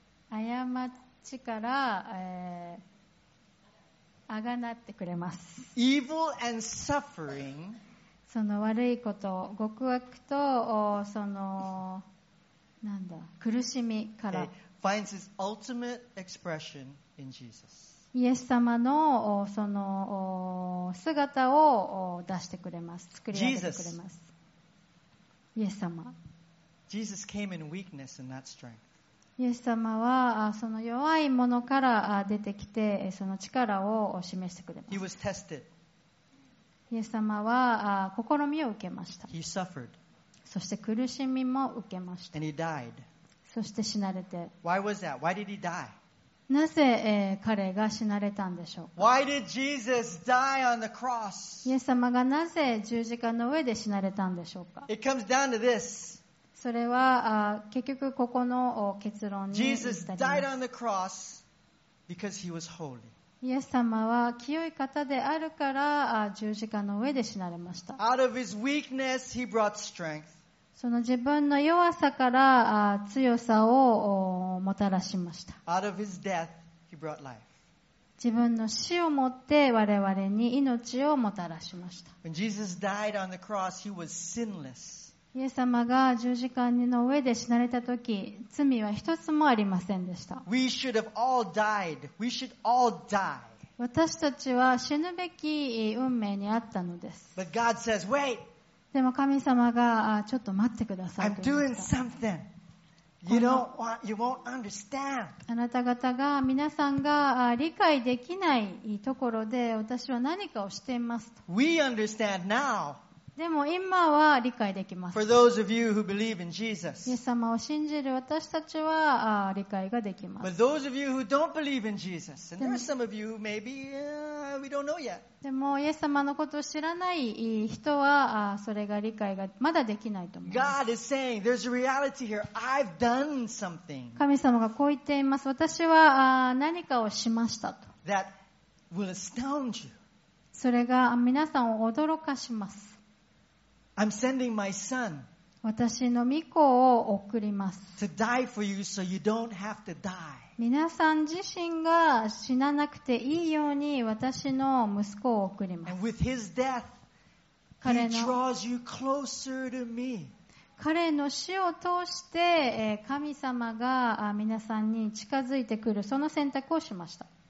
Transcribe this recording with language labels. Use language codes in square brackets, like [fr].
[ja] 過ちから、贖ってくれます。 [en] Evil and suffering. [ja] その悪いこと、極悪とそのなんだ苦しみから、 [en] finds his ultimate expression in Jesus. [ja] イエス様のその姿を出してくれます、作り上げてくれます。イエス様。 [en] Jesus came in weakness and not strength. [ja] イエス様はその弱いものから出てきてその力を示してくれます。 [en] He was tested. [ja] イエス様は試みを受けました。そして苦しみも受けました。そして死なれて、 [en] Why was that? Why did he die? [ja] なぜ、彼が死なれたんでしょうか。 [en] Why did Jesus die on the cross? [ja] イエス様がなぜ十字架の上で死なれたんでしょうか。 [en] It comes down to this. [ja] それは結局ここの結論に [en] Jesus died on the cross because he was holy. [ja] イエス様は清い方であるから十字架の上で死なれました。 [en] Out of his weakness, he brought strength. [ja] その自分の弱さから強さをもたらしました。 [en] Out of his death, he brought life. [ja] 自分の死をもって我々に命をもたらしました。 [en] When Jesus died on the cross, he was sinless. [ja] イエス様が十字架の上で死なれた時、罪は一つもありませんでした。 [en] We should have all died. We should all die. [ja] 私たちは死ぬべき運命にあったのです。 [en] But God says, wait. [ja] でも神様がちょっと待ってくださいと言 [en] った。I'm doing something. You don't want, you won't understand. [ja] あなた方が皆さんが理解できないところで私は何かをしていますと。 [en] We understand now. [ja] でも今は理解できます。 [en] For those of you who believe in Jesus. [ja] イエス様を信じる私たちは理解ができます。 [en] But those of you who don't believe in Jesus, and there are some of you who maybe, we don't know yet. [ja] でもイエス様のことを知らない人はそれが理解がまだできないと思います。 [en] God is saying, there's a reality here. I've done something. [ja] 神様がこう言っています。私は何かをしましたと。 [en] That will astound you. [ja] それが皆さんを驚かします。 [en] I'm sending my son. [ja] 私の御子を送ります。 [en] To die for you so you don't have to die. [ja] 皆さん自身が死ななくていいように私の息子を送ります。 [en] And with his death, he draws you closer to me. [ja] 彼の死を通して神様が皆さんに近づいてくるその選択をしました。